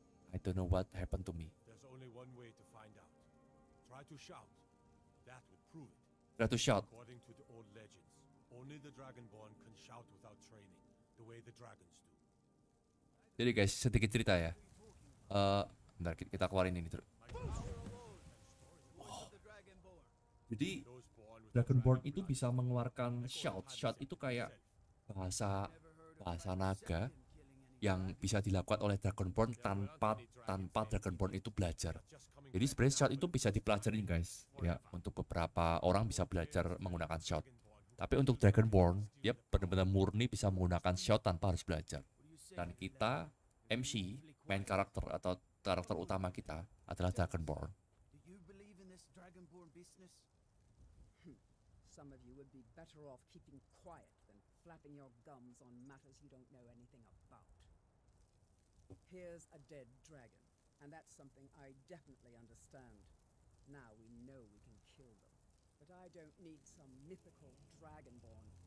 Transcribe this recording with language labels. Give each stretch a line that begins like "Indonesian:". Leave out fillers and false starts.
English: I don't know what happened to me. There's only one way to find out. Try to shout. That would prove it. Try to shout. According to the old legends, only the Dragonborn can shout without training, the way the dragons do.
Indonesian: Jadi guys, sedikit cerita ya. Bentar, kita keluarin ini terus. Jadi, Dragonborn itu bisa mengeluarkan shout. Shout itu kayak bahasa naga yang bisa dilakukan oleh Dragonborn tanpa Dragonborn itu belajar. Jadi sebenarnya shout itu bisa dipelajarin guys. Ya, untuk beberapa orang bisa belajar menggunakan shout. Tapi untuk Dragonborn, dia benar-benar murni bisa menggunakan shout tanpa harus belajar. Dan kita MC, main karakter atau karakter utama kita adalah Dragonborn.
English: Do you believe in this Dragonborn business? Some of you would be better off keeping quiet than flapping your gums on matters you don't know anything about. Here's a dead dragon, and that's something I definitely understand. Now we know we can kill them. But I don't need some mythical dragonborn.